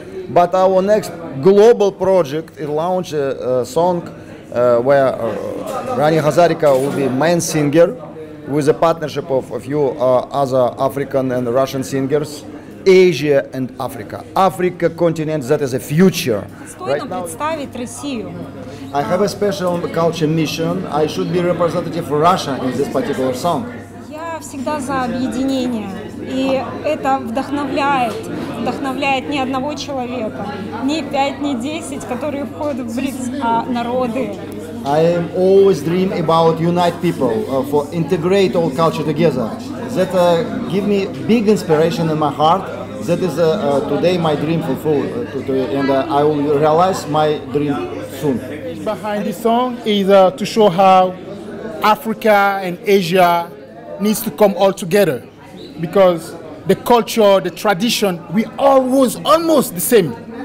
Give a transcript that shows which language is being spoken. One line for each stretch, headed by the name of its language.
English: But our next global project, it launched a song where Rani Hazarika will be main singer with a partnership of a few other African and Russian singers. Asia and Africa. Africa continent, that is a future. Right now, I have a special culture mission. I should be representative for Russia in this particular song.
Russian: Я всегда за объединение. И это вдохновляет. Вдохновляет не одного человека. Не 5, не 10, которые входят в БРИКС, а народы.
English: I am always dream about unite people, for integrate all culture together. That give me big inspiration in my heart. That is today my dream fulfilled, I will realize my dream soon. Behind this song is to show how Africa and Asia needs to come all together, because the culture, the tradition, we all was almost the same.